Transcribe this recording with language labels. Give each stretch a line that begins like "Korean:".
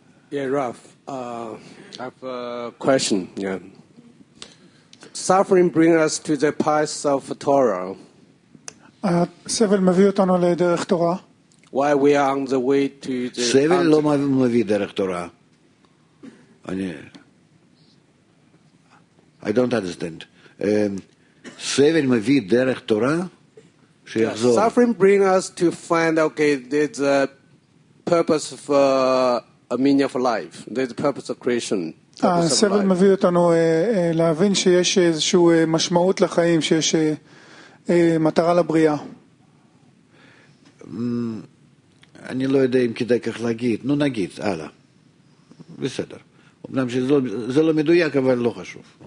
English: Yeah, Raf, I have a question. Yeah. Suffering brings us to the paths of Torah.
Hebrew: סבל מביא אותנו לדרך תורה.
English: Why we are on the way to the...
Hebrew: סבל לא מביא דרך תורה.
English: I don't understand.
Hebrew: סבל מביא דרך תורה? שיחזור.
English: Suffering brings us to find, okay, there's a purpose for... a meaning of life. There's a purpose of creation.
Hebrew: הסבל מביא אותנו להבין שיש איזשהו משמעות לחיים, שיש מטרה לבריאה. אני לא יודע אם כדאי כך להגיד. נו, נגיד, הלאה. בסדר. אמנם שזה לא מדויק, אבל לא חשוב.